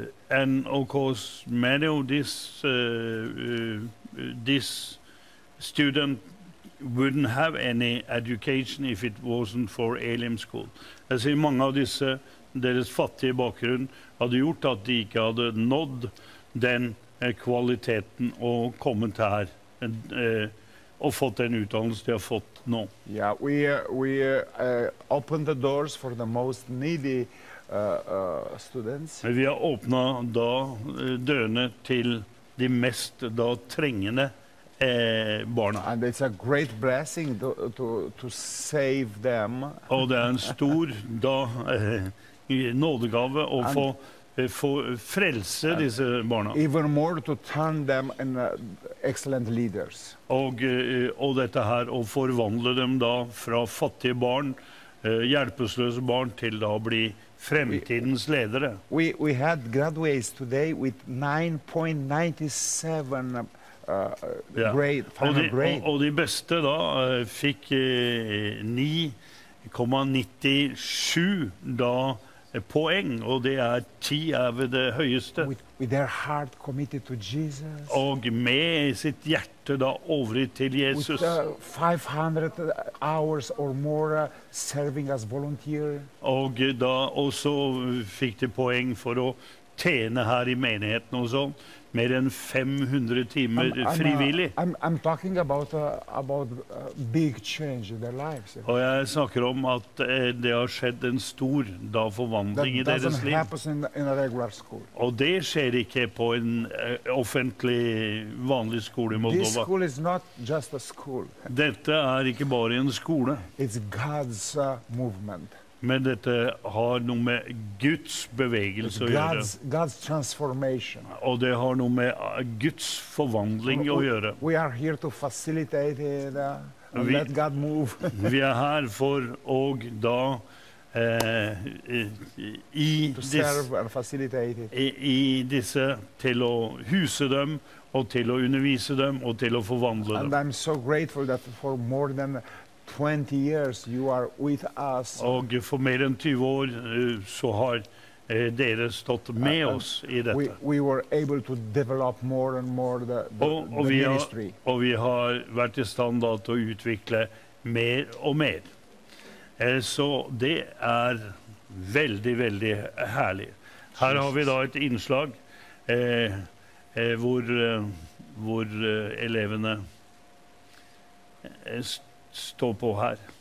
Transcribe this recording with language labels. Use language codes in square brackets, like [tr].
[en] And of course many of this student wouldn't have any education if it wasn't for ALM school. [no] Jeg sier mange av disse deres fattige bakgrunn hadde gjort at de ikke hadde nådd den kvaliteten og kommet her og fått den utdannelse de har fått nå. [en] Ja, we opened the doors for the most needy students. [no] Vi har åpnet da dørene til de mest da trengende barna. [en] And it's a great blessing to save them. [no] Og det er en stor da nådegave å få frelse disse barna. [en] Even more to turn them in excellent leaders. [no] Og dette her, å forvandle dem da fra fattige barn, hjelpesløse barn, til da å bli fremtidens ledere. [en] We had graduates today with 9.97 grade, final grade. [no] Og de beste da fikk 9.97 da poeng, og det er 10 av det høyeste. [en] With their heart committed to Jesus. [no] Og med sitt hjerte da overgitt til Jesus. [en] With 500 hours or more serving as volunteer. [no] Og da også fikk de poeng for å tjene her i menigheten og sånn. Mer enn 500 timer frivillig. [en] I'm talking about big change in their lives. [no] Og jeg snakker om at det har skjedd en stor da forvandling i deres liv. [en] That doesn't happen in a regular school. [no] Og det skjer ikke på en offentlig vanlig skole i Moldova. [en] This school is not just a school. [no] Dette er ikke bare en skole. [en] It's God's movement. [no] Men dette har noe med Guds bevegelse å gjøre. [en] God's transformation. [no] Og det har noe med Guds forvandling å gjøre. [en] We are here to facilitate it and let God move. [no] Vi er her for og da i disse til å huse dem og til å undervise dem og til å forvandle dem. [en] And I'm so grateful that for more than 20 years you are with us. [no] Og for mer enn 20 år så har dere stått med oss i dette. [en] We were able to develop more and more the ministry. [no] Og vi har vært i stand til å utvikle mer og mer. Så det er veldig, veldig herlig. Her har vi da et innslag hvor elevene stå på her.